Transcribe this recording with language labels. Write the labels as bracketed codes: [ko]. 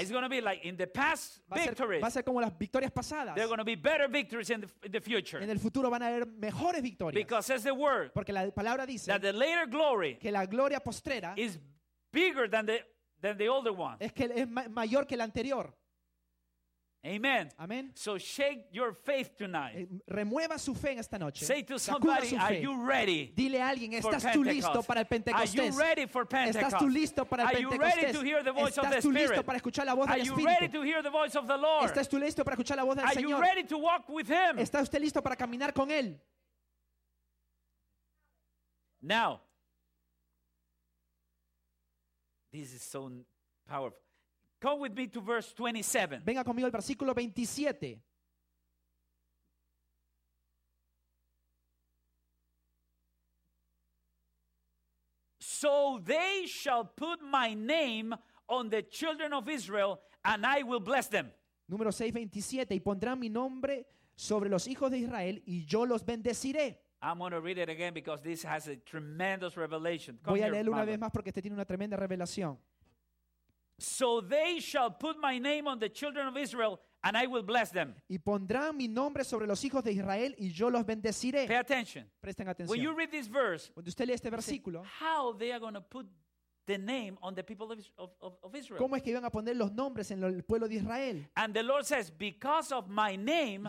[en] It's going to be like in the past victories. [es] Va a ser como las victorias pasadas. [en] There are going to be better victories in the future. [es] En el futuro van a haber mejores victorias. [en] Because as the word, [es] porque la palabra dice, [en] that the later glory, [es] que la gloria postrera, [en] is bigger than the older one. [es] Es que es mayor que la anterior. [en] Amen. [es] Amen. [en] So shake your faith tonight. [es] Remueva su fe en esta noche. [en] Say to somebody, are you ready? [es] Dile a alguien, ¿estás tú listo para el Pentecostés? [en] Are you ready for Pentecost? [es] ¿Estás tú listo para el Pentecostés? [en] Are you ready to hear the voice of the Spirit? [es] ¿Estás tú listo para escuchar la voz del Espíritu? [en] Are you ready to hear the voice of the Lord? [es] ¿Estás tú listo para escuchar la voz del Señor? [en] Are you ready to walk with him? [es] ¿Estás usted listo para caminar con él? [en] Now. This is so powerful. Come with me to verse 27. [es] Venga conmigo al versículo 27. [en] So they shall put my name on the children of Israel, and I will bless them. [es] Número 6:27, y pondrán mi nombre sobre los hijos de Israel, y yo los bendeciré. [en] I'm going to read it again because this has a tremendous revelation. [es] Voy a leerlo una vez más porque este tiene una tremenda revelación. [en] So they shall put my name on the children of Israel, and I will bless them. [es] Y pondrán mi nombre sobre los hijos de Israel, y yo los bendeciré. [en] Pay attention. [es] Presten atención. [en] When you read this verse, [es] cuando usted lee este versículo, [en] how they are going to put the name on the people of Israel? [es] ¿Cómo es que iban a poner los nombres en el pueblo de Israel? [en] And the Lord says, because of my name,